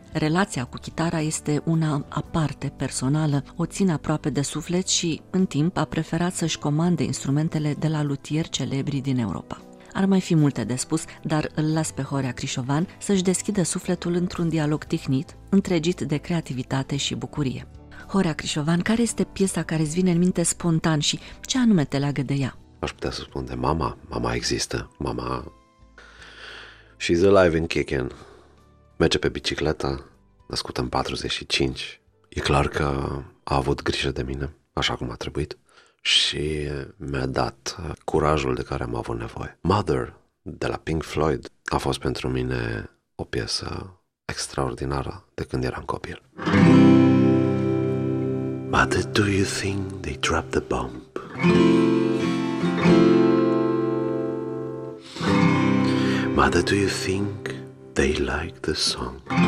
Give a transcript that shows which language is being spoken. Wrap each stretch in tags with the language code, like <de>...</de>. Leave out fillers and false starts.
<ro>Relația cu chitara este una aparte, personală, o ține aproape de suflet și, în timp, a preferat să-și comande instrumentele de la lutieri celebri din Europa. Ar mai fi multe de spus, dar îl las pe Horea Crișovan să-și deschidă sufletul într-un dialog tihnit, întregit de creativitate și bucurie. Horea Crișovan, care este piesa care îți vine în minte spontan și ce anume te leagă de ea? Aș putea să spun de mama. Mama există.</ro> <en>Mama, she's alive and kicking.</en> <ro>Merge pe bicicletă, născută în 45. E clar că a avut grijă de mine, așa cum a trebuit. Și mi-a dat curajul de care am avut nevoie. Mother, de la Pink Floyd, a fost pentru mine o piesă extraordinară de când eram copil.</ro> <en>Mother, do you think they dropped the bomb? Mother, do you think they like the song?</en>